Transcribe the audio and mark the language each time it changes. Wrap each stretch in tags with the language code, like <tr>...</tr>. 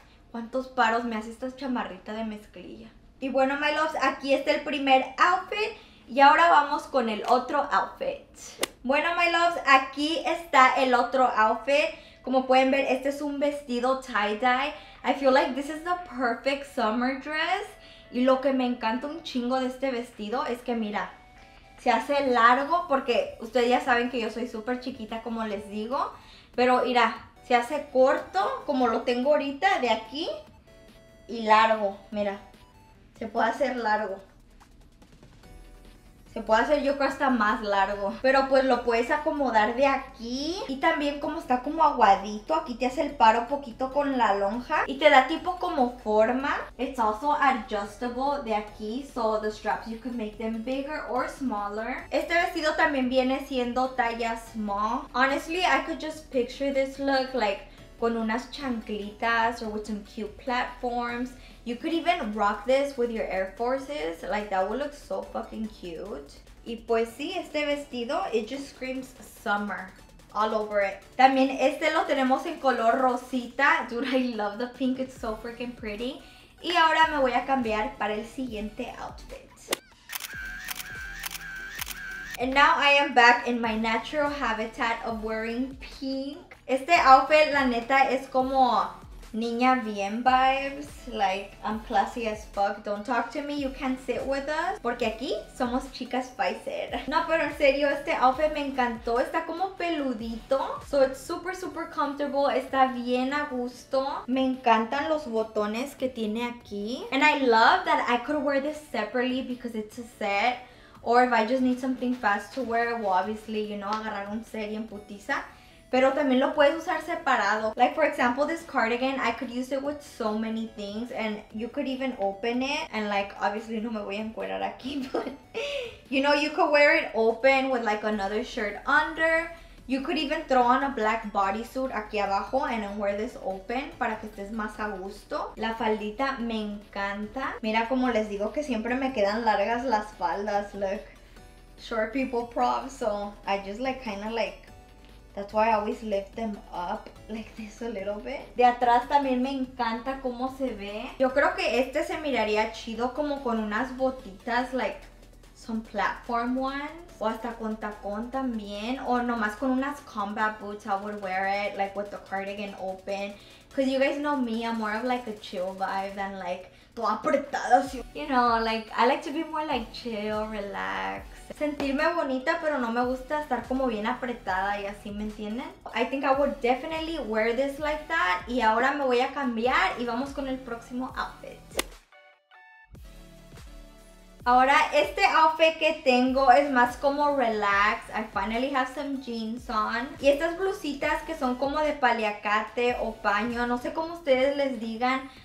<es>¿Cuántos paros me hace esta chamarrita de mezclilla? Y bueno,</es> <en>my loves,</en> <es>aquí está el primer outfit y ahora vamos con el otro outfit. Bueno,</es> <en>my loves,</en> <es>aquí está el otro outfit. Como pueden ver, este es un vestido tie-dye.</es> <en>I feel like this is the perfect summer dress.</en> <es>Y lo que me encanta un chingo de este vestido es que mira, se hace largo porque ustedes ya saben que yo soy súper chiquita, como les digo. Pero mira, se hace corto como lo tengo ahorita de aquí y largo. Mira, se puede hacer largo. Se puede hacer yo creo hasta más largo. Pero pues lo puedes acomodar de aquí. Y también como está como aguadito, aquí te hace el paro poquito con la lonja. Y te da tipo como forma.</es> <en>It's also adjustable</en> <es>de aquí.</es> <en>So the straps, you can make them bigger or smaller.</en> <es>Este vestido también viene siendo talla small.</es> <en>Honestly, I could just picture this look like</en> <es>con unas chanclitas</es> <en>or with some cute platforms. You could even rock this with your Air Forces. Like, that would look so fucking cute.</en> <es>Y pues sí, este vestido,</es> <en>it just screams summer all over it.</en> <es>También este lo tenemos en color rosita.</es> <en>Dude, I love the pink. It's so freaking pretty.</en> <es>Y ahora me voy a cambiar para el siguiente outfit.</es> <en>And now I am back in my natural habitat of wearing pink.</en> <es>Este outfit, la neta, es como niña bien vibes,</es> <en>like I'm classy as fuck, don't talk to me, you can't sit with us.</en> <es>Porque aquí somos chicas spicer. No, pero en serio, este outfit me encantó, está como peludito.</es> <en>So it's super, super comfortable,</en> <es>está bien a gusto. Me encantan los botones que tiene aquí.</es> <en>And I love that I could wear this separately because it's a set. Or if I just need something fast to wear, well obviously, you know,</en> <es>agarrar un set y en putiza. Pero también lo puedes usar separado.</es> <en>Like for example, this cardigan, I could use it with so many things and you could even open it. And like, obviously</en> <es>no me voy a encuerar aquí,</es> <en>but you know, you could wear it open with like another shirt under. You could even throw on a black bodysuit</en> <es>aquí abajo</es> <en>and then wear this open</en> <es>para que estés más a gusto. La faldita me encanta. Mira como les digo que siempre me quedan largas las faldas.</es> <en>Look, short people prop, so I just like kind of like, that's why I always lift them up like this a little bit.</en> <es>De atrás también me encanta cómo se ve. Yo creo que este se miraría chido como con unas botitas,</es> <en>like some platform ones.</en> <es>O hasta con tacón también. O nomás con unas</es> <en>combat boots, I would wear it like with the cardigan open. Because you guys know me, I'm more of like a chill vibe than like</en> <es>toda apretada.</es> <en>You know, like I like to be more like chill, relax.</en> <es>Sentirme bonita, pero no me gusta estar como bien apretada y así, ¿me entienden?</es> <en>I think I would definitely wear this like that.</en> <es>Y ahora me voy a cambiar y vamos con el próximo outfit. Ahora, este outfit que tengo es más como relax.</es> <en>I finally have some jeans on.</en> <es>Y estas blusitas que son como de paliacate o paño, no sé cómo ustedes les digan.</es>